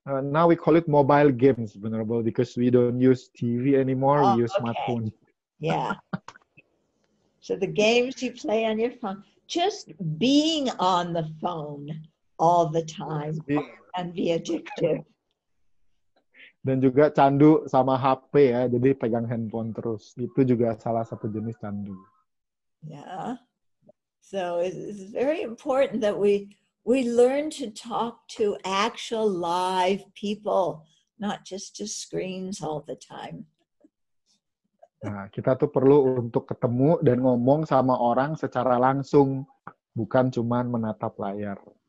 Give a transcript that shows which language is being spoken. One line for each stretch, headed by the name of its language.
English: Now we call it mobile games, Venerable, because we don't use TV anymore. Oh, we use smartphone. Yeah. So the games you play on your phone, just being on the phone all the time can be addictive.
Indonesian: Dan juga candu sama HP ya, jadi pegang handphone terus. Itu juga salah satu jenis candu.
English: Yeah. So it's very important that we learn to talk to actual live people, not just to screens all the time.
Indonesian: Nah, kita tuh perlu untuk ketemu dan ngomong sama orang secara langsung, bukan cuman menatap layar.